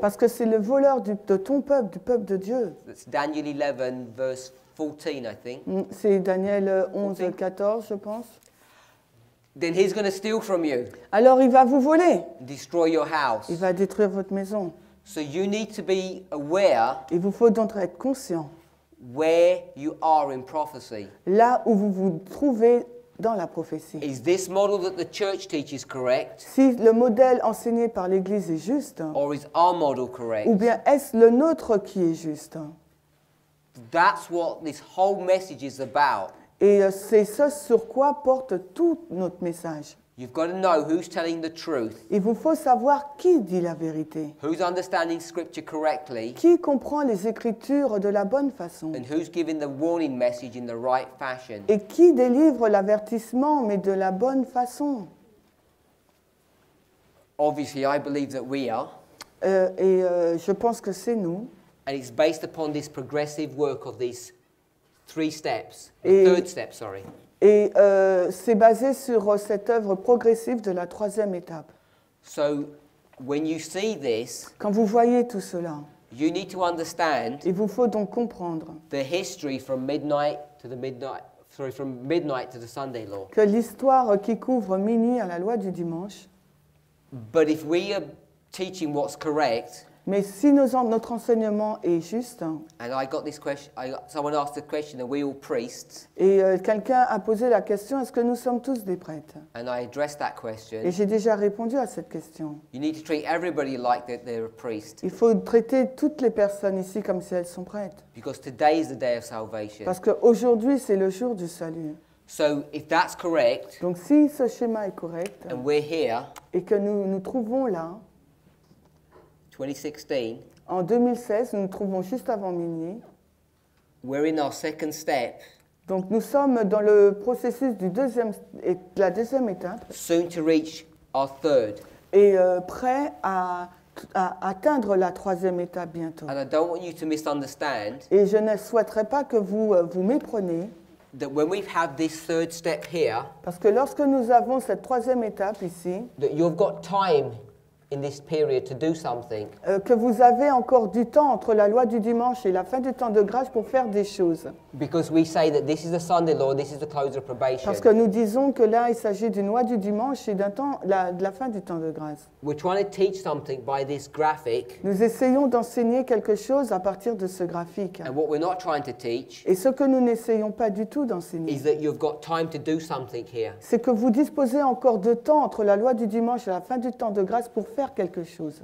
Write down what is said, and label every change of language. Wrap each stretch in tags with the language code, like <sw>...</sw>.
<fr>parce que c'est le voleur de ton peuple, du peuple de Dieu.</fr> <en>That's Daniel 11, verse 14, I think.</en> <fr>C'est Daniel 11, 14, je pense.</fr> <en>Then he's going to steal from you.</en> <fr>Alors il va vous voler.</fr> <en>Destroy your house.</en> <fr>Il va détruire votre maison.</fr> <en>So you need to be aware.</en> <fr>Il vous faut donc être conscient.</fr> <en>Where you are in prophecy.</en> <fr>Là où vous vous trouvez dans la prophétie.</fr> <en>Is this model that the church teaches correct?</en> <fr>Si le modèle enseigné par l'Église est juste.</fr> <en>Or is our model correct?</en> <fr>Ou bien est-ce le nôtre qui est juste?</fr> <en>That's what this whole message is about.</en> <fr>Et c'est ce sur quoi porte tout notre message.</fr> <en>You've got to know who's telling the truth.</en> <fr>Il vous faut savoir qui dit la vérité.</fr> <en>Who's understanding scripture correctly.</en> <fr>Qui comprend les Écritures de la bonne façon.</fr> <en>And who's giving the warning message in the right fashion.</en> <fr>Et qui délivre l'avertissement, mais de la bonne façon.</fr> <en>Obviously, I believe that we are.</en> <fr>Je pense que c'est nous.</fr> <en>And it's based upon this progressive work of these three steps, the third step.</en> <fr>Et c'est basé sur cette œuvre progressive de la troisième étape.</fr> <en>So, when you see this,</en> <fr>quand vous voyez tout cela,</fr> <en>you need to understand,</en> <fr>il vous faut donc comprendre,</fr> <en>the history from midnight to the midnight, sorry, from midnight to the Sunday law.</en> <fr>Que l'histoire qui couvre minuit à la loi du dimanche.</fr> <en>But if we are teaching what's correct,</en> <fr>mais si notre enseignement est juste,</fr> <en>and I got this question, someone asked the question, are we all priests?</en> <fr>Et quelqu'un a posé la question, est-ce que nous sommes tous des prêtres?</fr> <en>And I addressed that question.</en> <fr>Et j'ai déjà répondu à cette question.</fr> <en>You need to treat everybody like they're a priest.</en> <fr>Il faut traiter toutes les personnes ici comme si elles sont prêtres.</fr> <en>Because today is the day of salvation.</en> <fr>Parce qu'aujourd'hui, c'est le jour du salut.</fr> <en>So if that's correct,</en> <fr>donc si ce schéma est correct,</fr> <en>and we're here,</en> <fr>et que nous nous trouvons là,</fr> <en>2016,</en> <fr>en 2016, nous nous trouvons juste avant minuit.</fr> <en>We're in our second step.</en> <fr>Donc nous sommes dans le processus du deuxième et la deuxième étape.</fr> <en>Soon to reach our third.</en> <fr>Et prêt à atteindre la troisième étape bientôt.</fr> <en>And I don't want you to misunderstand.</en> <fr>Et je ne souhaiterais pas que vous vous mépreniez.</fr> <en>That when we have this third step here,</en> <fr>parce que lorsque nous avons cette troisième étape ici,</fr> <en>that you've got time in this period to do something,</en> <fr>que vous avez encore du temps entre la loi du dimanche et la fin du temps de grâce pour faire des choses.</fr> <en>Because we say that this is a Sunday law, this is the close of probation.</en> <fr>Parce que nous disons que là, il s'agit d'une loi du dimanche et d'un temps de la fin du temps de grâce.</fr> <en>We're trying to teach something by this graphic.</en> <fr>Nous essayons d'enseigner quelque chose à partir de ce graphique.</fr> <en>And what we're not trying to teach.</en> <fr>Et ce que nous n'essayons pas du tout d'enseigner.</fr> <en>Is that you've got time to do something here.</en> <fr>C'est que vous disposez encore de temps entre la loi du dimanche et la fin du temps de grâce pour faire quelque chose.</fr>